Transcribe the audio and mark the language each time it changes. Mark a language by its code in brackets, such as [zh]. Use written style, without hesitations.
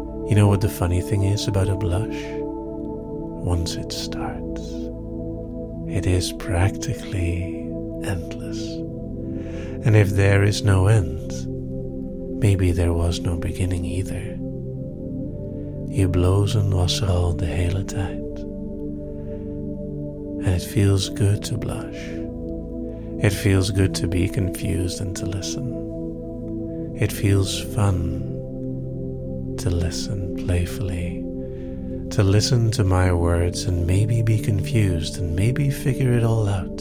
[en] You know what the funny thing is about a blush? Once it starts, it is practically endless. And if there is no end, maybe there was no beginning either. [nl] Je blozen was er al de hele tijd. [en] And it feels good to blush. It feels good to be confused and to listen. It feels fun to listen playfully. To listen to my words and maybe be confused and maybe figure it all out.